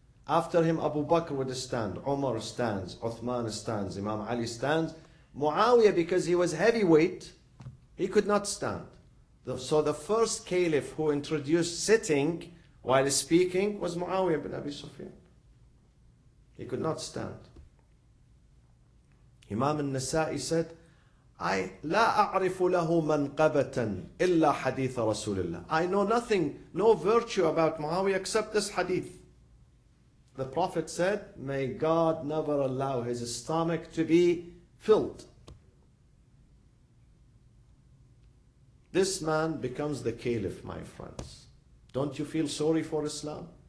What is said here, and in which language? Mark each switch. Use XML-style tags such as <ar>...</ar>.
<en>After him, Abu Bakr would stand, Umar stands, Uthman stands, Imam Ali stands. Muawiyah, because he was heavyweight, he could not stand. So the first caliph who introduced sitting while speaking was Muawiyah ibn Abi Sufyan. He could not stand. Imam al-Nasa'i said, I</en> <ar>لا أعرف له منقبة إلا حديث رسول الله.</ar> <en>I know nothing, no virtue about Muawiyah except this hadith. The Prophet said, may God never allow his stomach to be filled. This man becomes the caliph, my friends. Don't you feel sorry for Islam?</en>